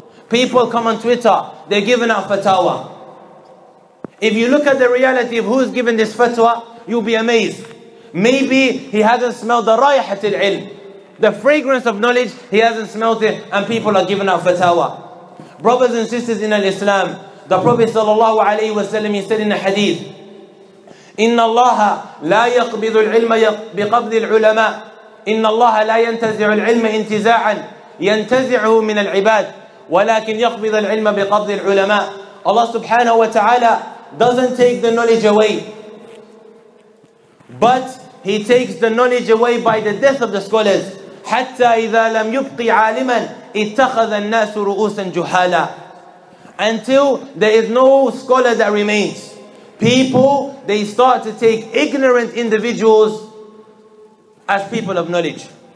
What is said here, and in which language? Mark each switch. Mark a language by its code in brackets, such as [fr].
[en] People come on Twitter, they're giving out fatawa. If you look at the reality of who's given this fatwa, you'll be amazed. Maybe he hasn't smelled the raihat al-ilm, the fragrance of knowledge, he hasn't smelled it, and people are giving out fatawa. Brothers and sisters in Al-Islam, the Prophet sallallahu alayhi wa sallam, he said in a hadith, [ar] إِنَّ اللَّهَ لَا يَقْبِضُ الْعِلْمَ بِقَبْضِ الْعُلَمَاءِ إِنَّ اللَّهَ لَا يَنْتَزِعُ الْعِلْمَ إِنْتِزَاعًا يَنْتَزِعُهُ مِنَ الْعِبَادِ وَلَكِنْ يَقْبِضَ الْعِلْمَ بِقَبْضِ الْعُلَمَاءِ. [en] Allah subhanahu wa ta'ala doesn't take the knowledge away, but He takes the knowledge away by the death of the scholars. [ar] حَتَّى إِذَا لَمْ يُبْقِي عَالِمًا اتَّخَذَ النَّاسُ رُؤُوسًا جُهَالًا. [en] Until there is no scholar that remains, people, they start to take ignorant individuals as people of knowledge.